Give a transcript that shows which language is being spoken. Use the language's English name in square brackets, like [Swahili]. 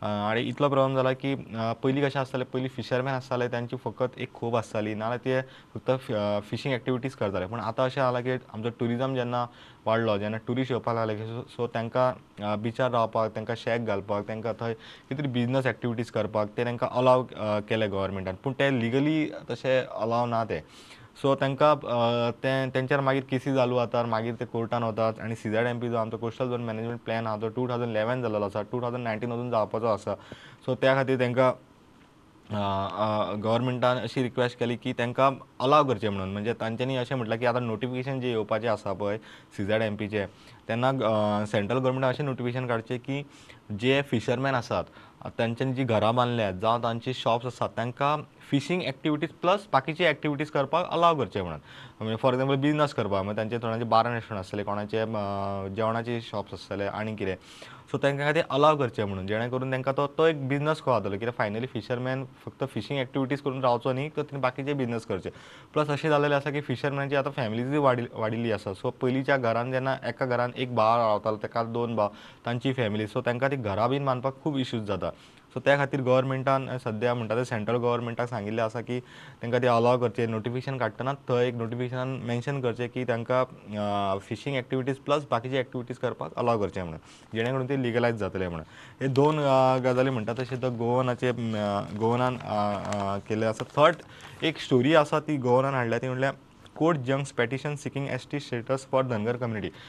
[Konkani] आनी इतलो प्रॉब्लम जाला की पयलीं कशें आसतालें पयलीं फिशरमॅन आसताले तांची फकत एक खोप आसताली नाल्यार ते फक्त फिशींग एक्टिविटीज करताले पूण आतां अशें जालां की आमचो ट्युरिजम जेन्ना वाडलो जेन्ना ट्युरिस्ट येवपाक लागले सो तांकां बिचार रावपाक तांकां शॅक घालपाक तांकां थंय कितें तरी बिजनस एक्टिविटीज करपाक ते तांकां अलाव केले गव्हर्मेंटान पूण ते लिगली तशें अलाव ना ते. सो तांकां तेंच्यार मागीर केसी चालू जातात मागीर ते कोर्टान वतात आनी सीझेड एम पी जो आमचो कोस्टल झोन मॅनेजमेंट प्लॅन आसा तो 2011 जाल्लो आसा 2019 अजून जावपाचो आसा. सो त्या खातीर तांकां गव्हर्नमेंटान अशी रिक्वेस्ट केली की त्यांना अलाव करचे म्हणून. [Marathi] म्हणजे त्यांच्यानी असे म्हटलं की आता नोटिफिकेशन जे येऊपाचे असा पण सीझेड एमपीचे त्यांना सेंट्रल गव्हर्नमेंट असे नोटिफिकेशन काढचे की जे फिशरमॅन असतात त्यांच्यानी जी घरं बांधल्यात जावं त्यांचे शॉप्स असतात त्यांना फिशिंग ॲक्टिव्हिटीज प्लस बाकीचे ॲक्टिव्हिटीज करपाक अलाव करचे म्हणून. म्हणजे फॉर एक्झाम्पल बिझनेस करपाक म्हणजे त्यांचे थोड्याचे बारा रेस्टॉरंट असले कोणाचे जेवणाचे शॉप्स असले आणि किरें सो त्यांना ते अलाव करचे म्हणून जेणेकरून त्यांना तो एक बिझनेस कसो जातलो किंवा फायनली फिशरमॅन फक्त फिशिंग ॲक्टिव्हिटीज करून रावचो न्ही तर त्यांनी बाकीचे बिझनेस करचे. प्लस असे झालेले असा की फिशरमॅनची आता फॅमिली वाढिली असा. सो पहिलीच्या घरांत जेव्हा एका घरांत एक भाव रावतालो त्या दोन भाव त्यांची फॅमिली सो त्यांना ती घरां बीन बांधपाक खूप इश्यूज जाता. [Konkani] सो त्या खातीर गव्हर्नमेंटान सध्या म्हणटा ते सेंट्रल गव्हर्नमेंटाक सांगिल्लें आसा की तांकां ते अलाव करचे नोटिफिकेशन काडटना थंय एक नोटिफिकेशनान मेन्शन करचें की तांकां फिशींग एक्टिविटीज प्लस बाकीचे एक्टिविटीज करपाक अलाव करचें म्हणून जेणे करून ते लिगलायज जातले म्हणून. हे दोन गजाली म्हणटा तशें तर गोवनाचे गोवनान केल्लें आसा. थर्ड एक स्टोरी आसा ती गोवनान हाडल्या ती म्हणल्यार [English] Court junks petition seeking S T status for Dhangar community.